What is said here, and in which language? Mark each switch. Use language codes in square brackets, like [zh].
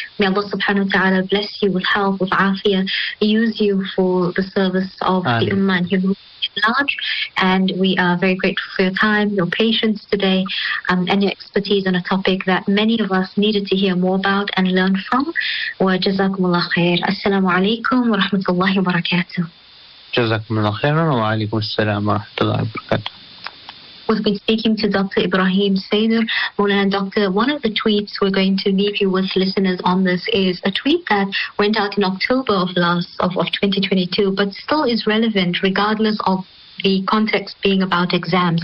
[en] May Allah subhanahu wa ta'ala bless you with health, with afia, use you for the service of the Ummah and humanity at large. And we are very grateful for your time, your patience today, and your expertise on a topic that many of us needed to hear more about and learn from. Wa Jazakumullah Khair. Assalamu alaikum wa rahmatullahi wa barakatuh. [ar] جزاكم الله خيرا وعليكم السلام ورحمة الله وبركاته [en] We've been speaking to Dr. Ibrahim Saydar. Maulana Doctor, one of the tweets we're going to leave you with listeners on this is a tweet that went out in October of 2022, but still is relevant regardless of the context being about exams.